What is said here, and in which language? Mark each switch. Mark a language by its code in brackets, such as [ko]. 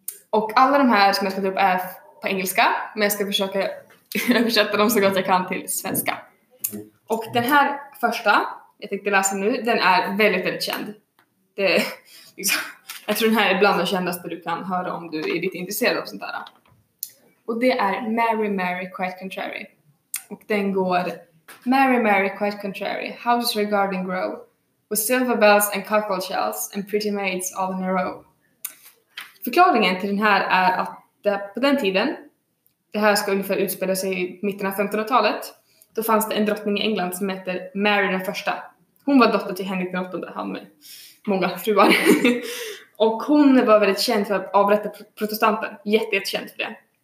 [sv] Och alla de här som jag ska ta upp är på engelska. Men jag ska försöka översätta dem så gott jag kan till svenska. Och den här första, jag tänkte läsa nu, den är väldigt, väldigt känd. Det, liksom, jag tror den här är bland de kändaste du kan höra om du är lite intresserad av sånt där. Och det är Mary, Mary, Quite Contrary. Och den går, [en] Mary, Mary, Quite Contrary, How does your garden grow? With silver bells and cockle shells and pretty maids all in a row. [sv] Förklaringen till den här är att det, på den tiden, det här ska ungefär utspela sig i mitten av 1500-talet, då fanns det en drottning i England som heter Mary den första. Hon var dotter till Henrik den åttonde, han med många fruar. Och hon var väldigt känd för att avrätta protestanter. Jättekänd för det.